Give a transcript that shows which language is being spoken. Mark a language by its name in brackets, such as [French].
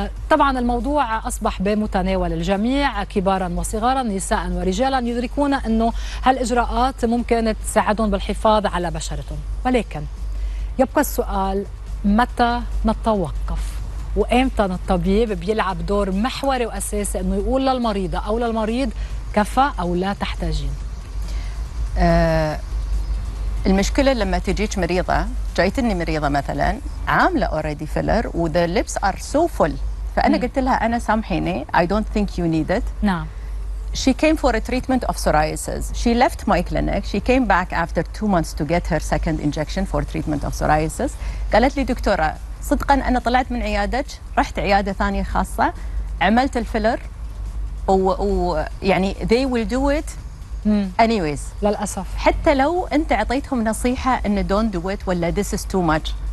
[Arabic] طبعا الموضوع أصبح بمتناول الجميع كبارا وصغارا، نساء ورجالا يدركون أنه هالإجراءات ممكن تساعدهم بالحفاظ على بشرتهم، ولكن يبقى السؤال متى نتوقف؟ وإمتى الطبيب بيلعب دور محوري وأساسي إنه يقول للمريضة أو للمريض كفى أو لا تحتاجين؟ المشكلة لما تجيك مريضة، جايتني مريضة مثلاً عاملة [English] already filler with the lips are so full، [Arabic] فأنا قلت لها أنا سامحيني [English] I don't think you need it. [Arabic] نعم. [English] She came for a treatment of psoriasis. She left my clinic. She came back after 2 months to get her second injection for treatment of psoriasis. [Arabic] قالت لي دكتورة صدقا أنا طلعت من عيادتك رحت عيادة ثانية خاصة عملت الفيلر ويعني [English] they will do it anyways. [Arabic] للأسف حتى لو أنت عطيتهم نصيحة أن [English] don't do it [Arabic] ولا [English] this is too much.